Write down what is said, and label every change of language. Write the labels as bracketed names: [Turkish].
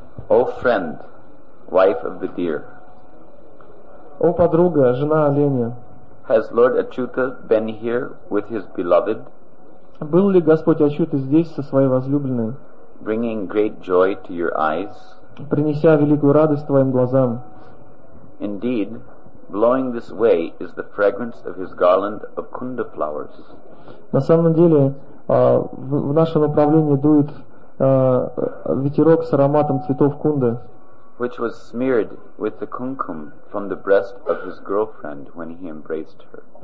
[English] O friend, wife of the deer. [Russian] O подруга, жена оленя. [English] Has Lord Achyuta been here with his beloved? [Russian] Был ли Господь Ачюта здесь со своей возлюбленной? [English] Bringing great joy to your eyes. [Russian] Принеся великую радость твоим глазам. [English] Indeed, blowing this way is the fragrance of his garland of kunda flowers. [Russian] На самом деле, в наше направление дует ветерок с ароматом цветов кунды. [English] Which was smeared with the kumkum from the breast of his girlfriend when he embraced her.